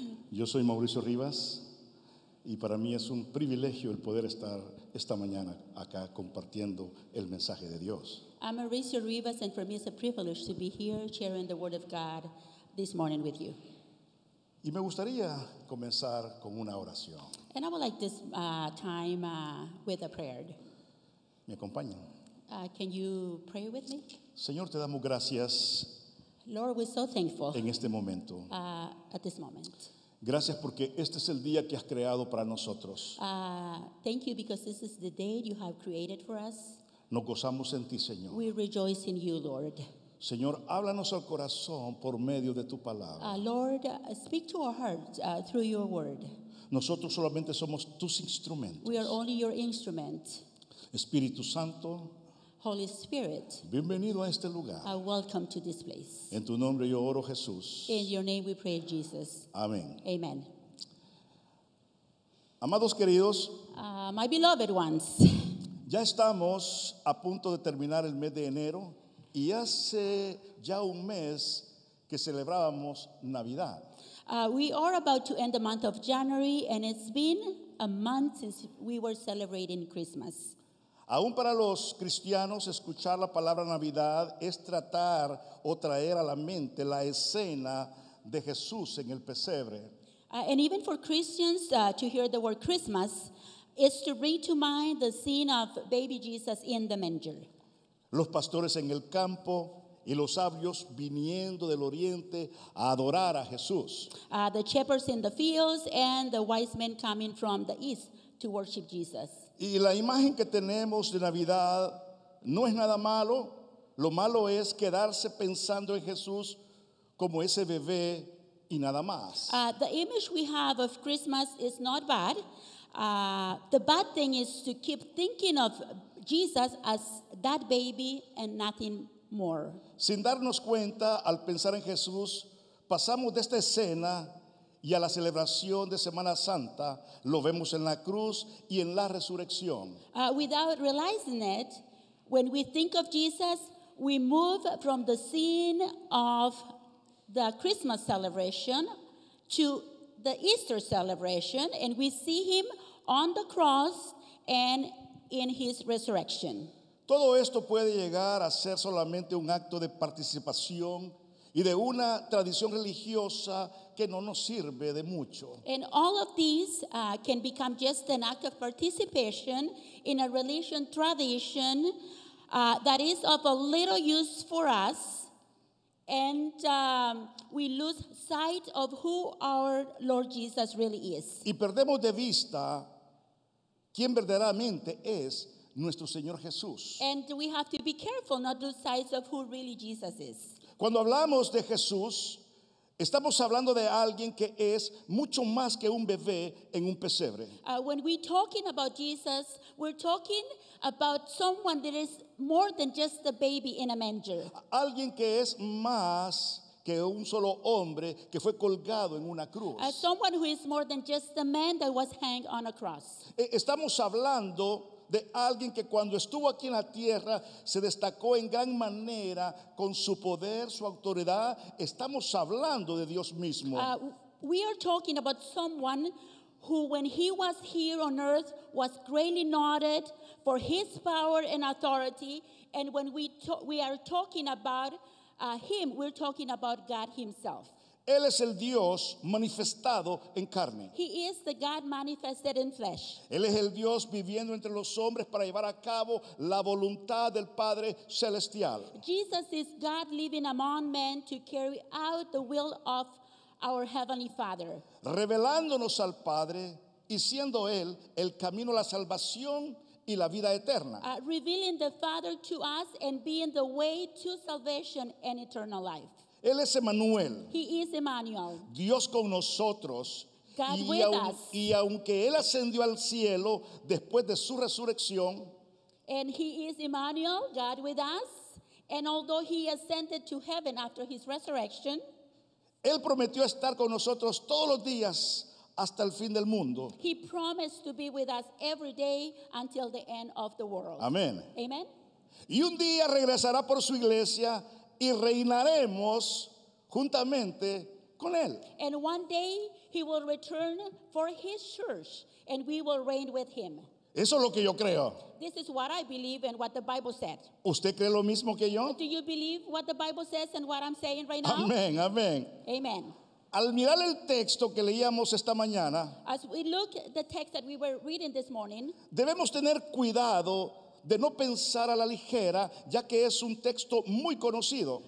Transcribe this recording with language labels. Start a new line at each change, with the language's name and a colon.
Spanish: Yo soy Mauricio Rivas, y para mí es un privilegio el poder estar esta mañana acá compartiendo el mensaje de Dios.
English: I'm Mauricio Rivas, and for me it's a privilege to be here sharing the word of God this morning with you.
Spanish: Y me gustaría comenzar con una oración.
English: And I would like this time with a prayer.
Spanish: ¿Me acompañan?
English: Can you pray with me?
Spanish: Señor, te damos gracias.
English: Lord, we're so thankful.
Spanish: En este momento.
English: At this moment.
Spanish: Gracias porque este es el día que has creado para nosotros.
English: Thank you because this is the day you have created for us.
Spanish: Nos gozamos en ti, Señor.
English: We rejoice in you, Lord.
Spanish: Señor, háblanos al corazón por medio de tu palabra.
English: Lord, speak to our hearts through your word.
Spanish: Nosotros solamente somos tus instrumentos.
English: We are only your instrument.
Spanish: Espíritu Santo.
English: Holy Spirit,
Spanish: bienvenido a este lugar.
English: Welcome to this place.
Spanish: En tu nombre yo oro, Jesús.
English: In your name we pray, Jesus.
Spanish: Amén.
English: Amen.
Spanish: Amados queridos,
English: my beloved ones,
Spanish: ya estamos a punto de terminar el mes de enero, y hace ya un mes que celebrábamos Navidad.
English: We are about to end the month of January, and it's been a month since we were celebrating Christmas.
Spanish: Aún para los cristianos, escuchar la palabra Navidad es tratar o traer a la mente la escena de Jesús en el pesebre.
English: And even for Christians, to hear the word Christmas is to bring to mind the scene of baby Jesus in the manger.
Spanish: Los pastores en el campo y los sabios viniendo del oriente a adorar a Jesús.
English: The shepherds in the fields and the wise men coming from the east to worship Jesus.
Spanish: Y la imagen que tenemos de Navidad no es nada malo. Lo malo es quedarse pensando en Jesús como ese bebé y nada más.
English: The image we have of Christmas is not bad. The bad thing is to keep thinking of Jesus as that baby and nothing more.
Spanish: Sin darnos cuenta, al pensar en Jesús, pasamos de esta escena y a la celebración de Semana Santa, lo vemos en la cruz y en la resurrección.
English: Without realizing it, when we think of Jesus, we move from the scene of the Christmas celebration to the Easter celebration, and we see him on the cross and in his resurrection.
Spanish: Todo esto puede llegar a ser solamente un acto de participación y de una tradición religiosa que no nos sirve de mucho.
English: And all of these can become just an act of participation in a religious tradition that is of a little use for us, and we lose sight of who our Lord Jesus really is.
Spanish: Y perdemos de vista quién verdaderamente es nuestro Señor Jesús.
English: And we have to be careful not to lose sight of who really Jesus is.
Spanish: Cuando hablamos de Jesús, estamos hablando de alguien que es mucho más que un bebé en un pesebre.
English: When we're talking about Jesus, we're talking about someone that is more than just a baby in a manger.
Spanish: Alguien que es más que un solo hombre que fue colgado en una cruz.
English: Someone who is more than just a man that was hanged on a cross.
Spanish: Estamos hablando de alguien que cuando estuvo aquí en la tierra se destacó en gran manera con su poder, su autoridad. Estamos hablando de Dios mismo.
English: We are talking about someone who, when he was here on earth, was greatly noted for his power and authority. And when we are talking about him, we're talking about God himself.
Spanish: Él es el Dios manifestado en carne.
English: He is the God manifested in flesh.
Spanish: Él es el Dios viviendo entre los hombres para llevar a cabo la voluntad del Padre celestial.
English: Jesus is God living among men to carry out the will of our Heavenly Father.
Spanish: Revelándonos al Padre y siendo Él el camino a la salvación y la vida eterna.
English: Revealing the Father to us and being the way to salvation and eternal life.
Spanish: Él es Emmanuel.
English: He is Emmanuel.
Spanish: Dios con nosotros.
English: God
Spanish: y
English: with us.
Spanish: Y aunque Él ascendió al cielo después de su resurrección.
English: And he is Emmanuel, God with us. And although he ascended to heaven after his resurrection.
Spanish: Él prometió estar con nosotros todos los días hasta el fin del mundo.
English: He promised to be with us every day until the end of the world.
Spanish: Amén.
English: Amen.
Spanish: Y un día regresará por su iglesia y reinaremos juntamente con él.
English: And one day he will return for his church and we will reign with him.
Spanish: Eso es lo que yo creo.
English: This is what I believe and what the Bible said.
Spanish: ¿Usted cree lo mismo que yo?
English: Do you believe what the Bible says and what I'm saying right now?
Spanish: Amén, amén.
English: Amen.
Spanish: Al mirar el texto que leíamos esta mañana,
English: as we look at the text that we were reading this morning,
Spanish: debemos tener cuidado de no pensar a la ligera, ya que es un texto muy conocido.